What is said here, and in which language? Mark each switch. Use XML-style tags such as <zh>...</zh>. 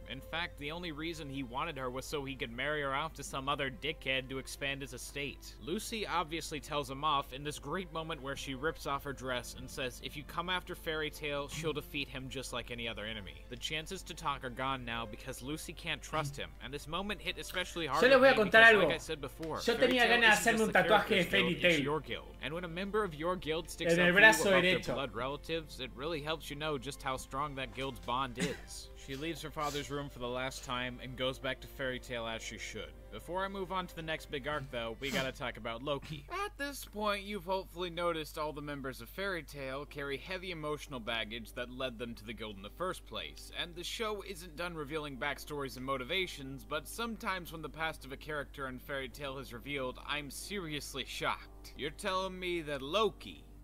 <en>In fact, the only reason he wanted her was so he could marry her off to some other dickhead to expand his estate. Lucy obviously tells him off in this great moment where she rips off her dress and says if you come after Fairy Tail, she'll defeat him just like any other enemy. The chances to talk are gone now because Lucy can't trust him, and this moment hit especially hard.</en> <es>Yo les voy a contar algo.</es> <en>Like I said before,</en> <es>yo tenía ganas de hacerme un tatuaje de Fairy Tail.</es> <en>Your guild. And when a member of your guild sticks out for you above their blood relatives, it really helps you know just how strong that guild's bond is. She leaves her father's room for the last time and goes back to Fairy Tail as she should. Before I move on to the next big arc, though, we gotta talk about Loki. At this point, you've hopefully noticed all the members of Fairy Tail carry heavy emotional baggage that led them to the guild in the first place, and the show isn't done revealing backstories and motivations, but sometimes when the past of a character in Fairy Tail is revealed, I'm seriously shocked. You're telling me that Loki,</en>